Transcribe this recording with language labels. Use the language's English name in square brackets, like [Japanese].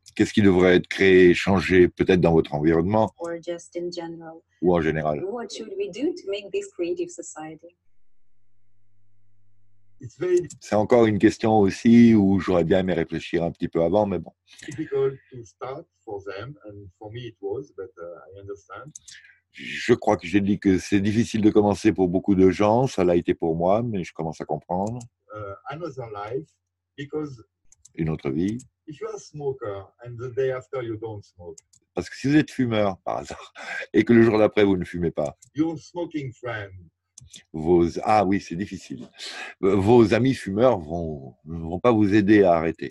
[French] Qu'est-ce qui devrait être créé, changé, peut-être dans votre environnement? [English] Or just in general. [French] Ou en général. [English] What should we do to make this creative society? [French] C'est encore une question aussi où j'aurais bien aimé réfléchir un petit peu avant, mais bon. Je crois que j'ai dit que c'est difficile de commencer pour beaucoup de gens. Ça l'a été pour moi, mais je commence à comprendre. [English] Another life, because [French] une autre vie. [English] If you are a smoker and the day after you don't smoke. [French] Parce que si vous êtes fumeur, par hasard, et que le jour d'après vous ne fumez pas. [English] Your smoking friend. [French] Vos, ah oui, c'est difficile. Vos amis fumeurs ne vont pas vous aider à arrêter.